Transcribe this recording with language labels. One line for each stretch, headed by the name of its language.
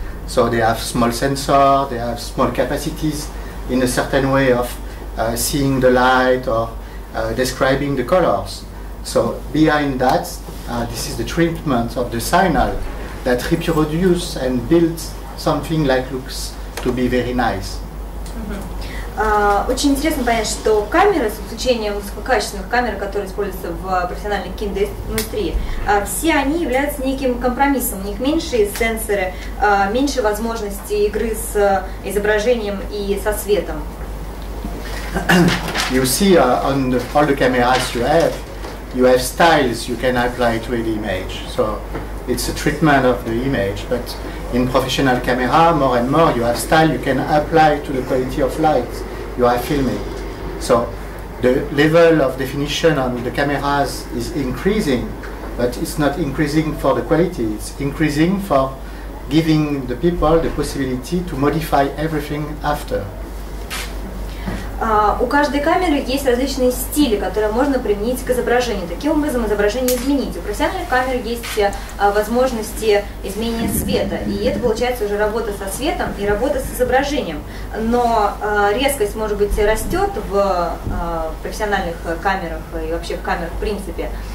English: So they have small sensor, they have small capacities in a certain way of seeing the light or describing the colors. So behind that, this is the treatment of the signal that reproduces and builds something like looks to be very nice.
Russian: Очень интересно понять, что камеры, с исключением высококачественных камер, которые используются в профессиональной киноиндустрии, все они являются неким компромиссом. У них меньшие сенсоры, меньше возможностей игры с изображением и со светом.
English: you see on the, all the cameras you have styles you can apply to the image. So it's a treatment of the image, but in professional camera, more and more, you have style you can apply to the quality of light you are filming. So the level of definition on the cameras is increasing, but it's not increasing for the quality, it's increasing for giving the people the possibility to modify everything after.
Russian: У каждой камеры есть различные стили, которые можно применить к изображению. Таким образом, изображение изменить. У профессиональных камер есть возможности изменения света. И это получается уже работа со светом и работа с изображением. Но резкость, может быть, растет в профессиональных камерах и вообще в камерах в принципе.